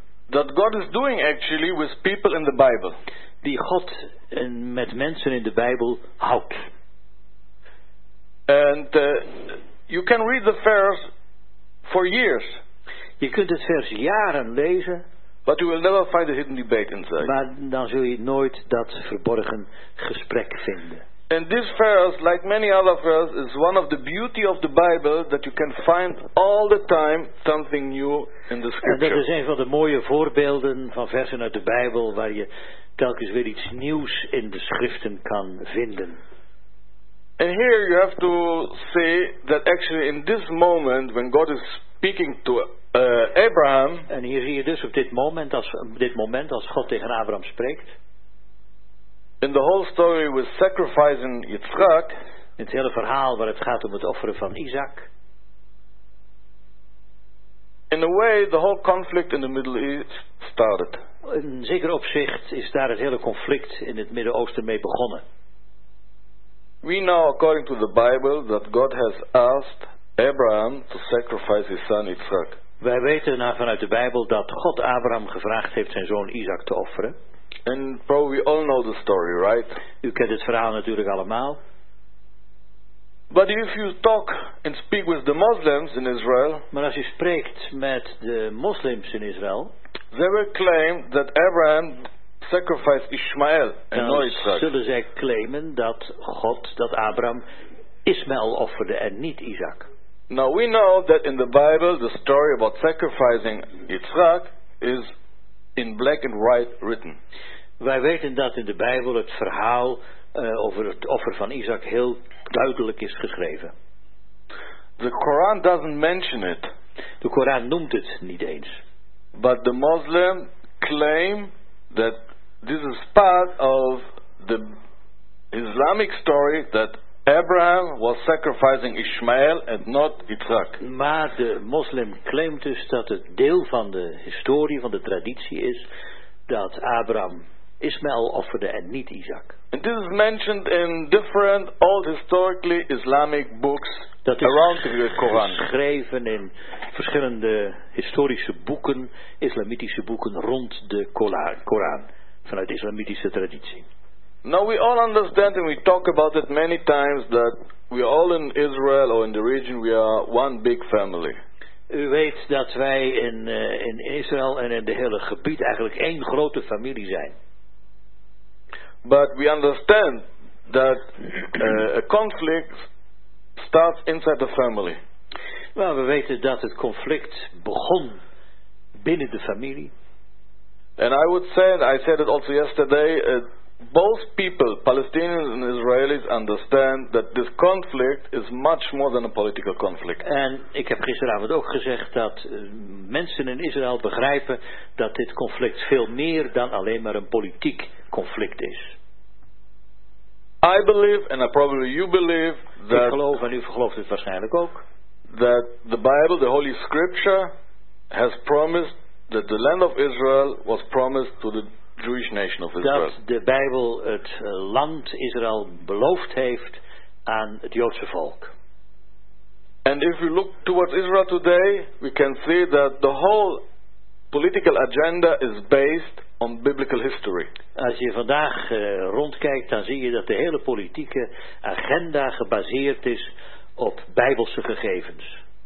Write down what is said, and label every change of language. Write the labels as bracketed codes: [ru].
[en] That God is doing actually with people in the Bible. [nl] Die God met mensen in de Bijbel houdt. [en] And you can read the verse for years. [nl] Je kunt het vers jaren lezen. [en] But you will never find a hidden debate inside. [nl] Maar dan zul je nooit dat verborgen gesprek vinden. [en] And this verse, like many other verses, is one of the beauty of the Bible that you can find all the time something new in the scripture. [nl] En dat is een van de mooie voorbeelden van versen uit de Bijbel waar je telkens weer iets nieuws in de schriften kan vinden. [en] And here you have to say that actually in this moment when God is speaking to Abraham. [nl] En hier zie je dus op dit moment als God tegen Abraham spreekt. [en] In the whole story with sacrificing Yitzhak. [nl] In het hele verhaal waar het gaat om het offeren van Isaac. [en] In a way the whole conflict in the Middle East started. [nl] In zeker opzicht is daar het hele conflict in het Midden-Oosten mee begonnen. [en] We know according to the Bible that God has asked Abraham to sacrifice his son Yitzhak. [nl] Wij weten vanuit de Bijbel dat God Abraham gevraagd heeft zijn zoon Isaac te offeren. [en] And probably we all know the story, right? [nl] U kent het verhaal natuurlijk allemaal. [en] But if you talk and speak with the Muslims in Israel, [nl] maar als u spreekt met de moslims in Israël, [en] they will claim that Abraham sacrificed Ishmael and not Isaac. [nl] Zullen zij claimen dat God, dat Abraham Ismaël offerde en niet Isaac. [en] Now we know that in the Bible the story about sacrificing Yitzhak is in black and white written. [nl] Wij weten dat in de Bijbel het verhaal over het offer van Isaac heel duidelijk is geschreven. [en] The Quran doesn't mention it. [nl] De Koran noemt het niet eens. [en] But the Muslim claim that this is part of the Islamic story that Abraham was sacrificing Ishmael and not Isaac. [nl] Maar de moslim claimt dus dat het deel van de historie, van de traditie is, dat Abraham Ismaël offerde en niet Isaac. [en] And this is mentioned in different old historically Islamic books around the Quran. [nl] Geschreven in verschillende historische boeken, islamitische boeken rond de Koran, vanuit de islamitische traditie. [en] Now we all understand and we talk about it many times that we are all in Israel or in the region, we are one big family. [nl] U weet dat wij in Israël en in de hele gebied eigenlijk één grote familie zijn. [en] But we understand that a conflict starts inside the family. [nl] Well, we weten dat het conflict begon binnen de familie. [en] And I would say, and I said it also yesterday, both people, Palestinians and Israelis, understand that this conflict is much more than a political conflict. [nl] En ik heb gisteravond ook gezegd dat mensen in Israël begrijpen dat dit conflict veel meer dan alleen maar een politiek conflict is. [en] I believe, and I probably you believe, that [nl] ik geloof, en u gelooft het waarschijnlijk ook, [en] that the Bible, the Holy Scripture, has promised that the land of Israel was promised to the Jewish nation of Israel. [nl] Dat de Bijbel het land Israël beloofd heeft aan het Joodse volk. [en] And if we look towards Israel today, we can see that the whole political agenda is based on biblical history. [nl] Als je vandaag rondkijkt, dan zie je dat de hele politieke agenda gebaseerd is op Bijbelse gegevens.